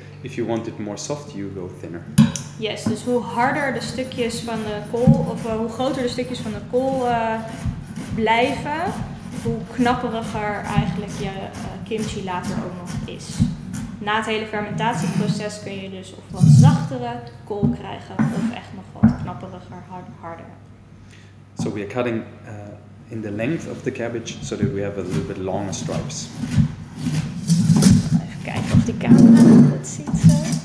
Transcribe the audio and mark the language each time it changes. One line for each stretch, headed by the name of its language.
English: If you want it more soft, you go thinner.
Dutch: Yes, dus hoe harder de stukjes van de kool, of hoe groter de stukjes van de kool blijven, hoe knapperiger eigenlijk je kimchi later ook nog is. Na het hele fermentatieproces kun je dus of wat zachtere kool krijgen, of echt nog wat knapperiger, harder.
English: So we are cutting in the length of the cabbage, so that we have a little bit longer stripes.
Dutch: Even kijken of die camera goed ziet.